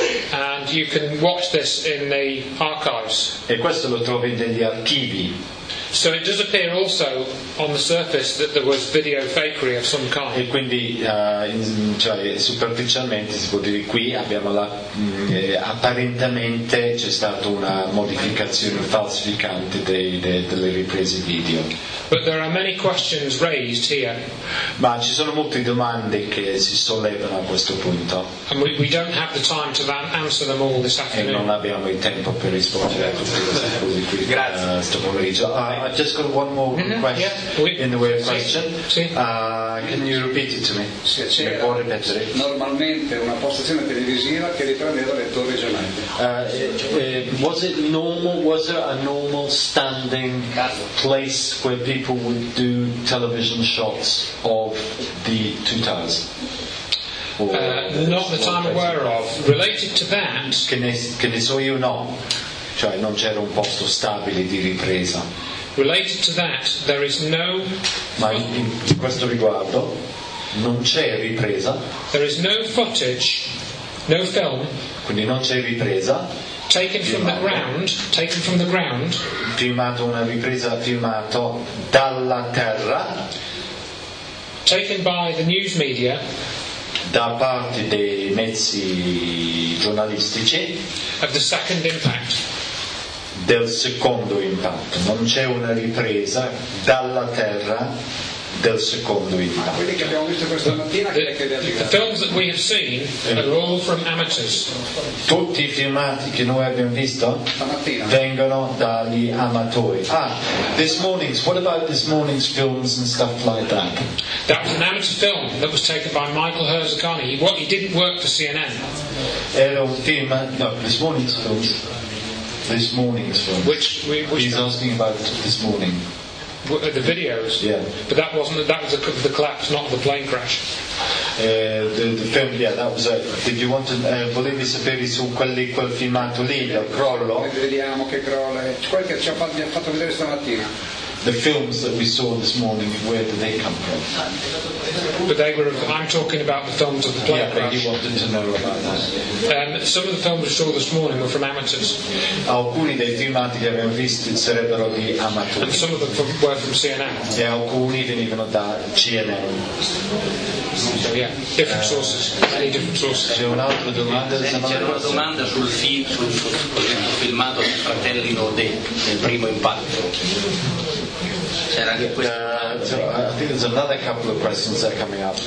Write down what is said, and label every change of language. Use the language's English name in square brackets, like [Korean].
[English] And you can watch this in the archives. [Italian] E questo lo trovi negli archivi. [English] So it does appear also on the surface that there was video fakery of some kind. [Italian] E quindi, cioè, superficialmente si può dire qui abbiamo la apparentemente c'è stata una modificazione falsificante delle riprese video. [English] But there are many questions raised here. [Italian] Ma ci sono molte domande che si sollevano a questo punto. [English] And we don't have the time to answer them all this afternoon. [Italian] E non abbiamo il tempo per rispondere a tutte queste cose qui. Grazie. Sto pomeriggio. [English] I just got one more question. Can you repeat it to me? [Italian] Sì, c'era normalmente una postazione televisiva che riprendeva le torri gemelle. [English] Was it normal? Was there a normal standing place where people would do television shots of the two towers? Not that I'm aware of. Related to that. [Italian] Che ne so io, no. Cioè non c'era un posto stabile di ripresa. [English] Related to that, there is no. [Italian] Ma in questo riguardo non c'è ripresa. [English] There is no footage, no film. [Italian] Quindi non c'è ripresa. [English] Taken from the ground. [Italian] Filmato, una ripresa filmato dalla terra. [English] Taken by the news media. [Italian] Da parte dei mezzi giornalistici. [English] Of the second impact. [Italian] Del secondo impatto, non c'è una ripresa dalla terra del secondo impatto. Ma quelli che abbiamo visto questa mattina, [English] the films that we have seen are all from amateurs. [Italian] Tutti i filmati che noi abbiamo visto stamattina vengono dagli amatori. [English] Ah, this morning's, what about this morning's films and stuff like that? That was an amateur film that was taken by Michael Herzogani. He didn't work for CNN. [Italian] Era un film, no, [English] this morning's films. This morning's film. He's asking about this morning. The videos. Yeah. But that was the collapse, not the plane crash. The film. Yeah, that was it. Did you want to? [Italian] Volevi sapere su quel filmato lì, il crollo? Vediamo che crolla. Quel che ci ha fatto vedere stamattina. [English] The films that we saw this morning. Where did they come from? But they were. I'm talking about the films of the plane crash. Yeah, but you wanted to know about that. Some of the films we saw this morning were from amateurs. [Italian] Alcuni dei filmati che abbiamo visto sarebbero di amatori. [English] And some of them were from CNN. [Italian] E alcuni venivano da CNN. [English] Yeah, different sources. Many different sources. [Italian] C'è un'altra domanda. C'era una domanda sul filmato dei fratelli Nordé del primo impatto. [English] So I think there's another couple of questions that are coming up.